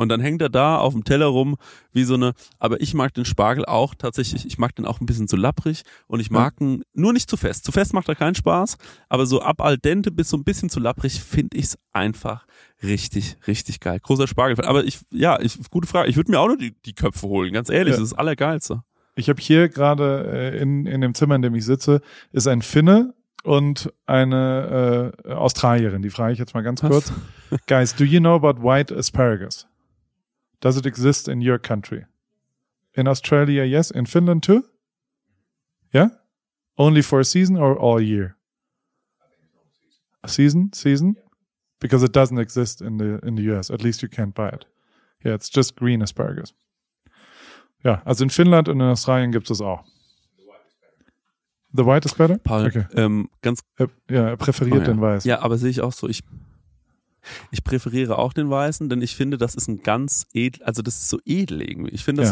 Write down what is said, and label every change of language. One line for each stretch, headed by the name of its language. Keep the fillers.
German: Und dann hängt er da auf dem Teller rum wie so eine, aber ich mag den Spargel auch tatsächlich, ich mag den auch ein bisschen zu lapprig und ich mag ihn nur nicht zu fest. Zu fest macht er keinen Spaß, aber so ab al dente bis so ein bisschen zu lapprig finde ich es einfach richtig, richtig geil. Großer Spargel. Aber ich, ja, ich, gute Frage. Ich würde mir auch nur die, die Köpfe holen, ganz ehrlich. Ja. Das ist das Allergeilste. Ich habe hier gerade äh, in, in dem Zimmer, in dem ich sitze, ist ein Finne und eine äh, Australierin. Die frage ich jetzt mal ganz kurz.
English: Guys, do you know about white asparagus? Does it exist in your country? In Australia, yes. In Finland too? Yeah? Only for a season or all year? A season? Season? Because it doesn't exist in the in the US. At least you can't buy it. Yeah, it's just green asparagus.
German: Ja, also in Finnland und in Australien gibt es das auch.
English: The white is better?
German: Paul, Okay. ähm, ganz Er, ja, er präferiert Oh, ja. den weiß. Ja, aber sehe ich auch so. Ich, Ich präferiere auch den weißen, denn ich finde, das ist ein ganz edel, also das ist so edel irgendwie. Ich finde, das